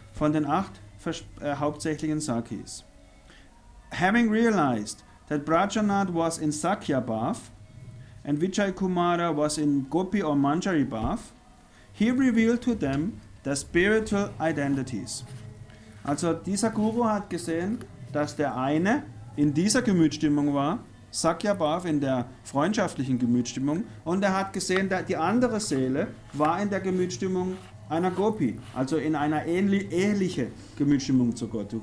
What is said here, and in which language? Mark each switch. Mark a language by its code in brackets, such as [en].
[de] von den 8 hauptsächlichen Sakis. [en] Having realized that Brajanath was in Sakya Bath and Vijay Kumara was in Gopi or Manjari Bath, he revealed to them their spiritual identities. [de] Also dieser Guru hat gesehen, dass der eine in dieser Gemütsstimmung war, Sakya Bhav in der freundschaftlichen Gemütsstimmung, und er hat gesehen, dass die andere Seele war in der Gemütsstimmung einer Gopi, also in einer ähnliche Gemütsstimmung zu Gott.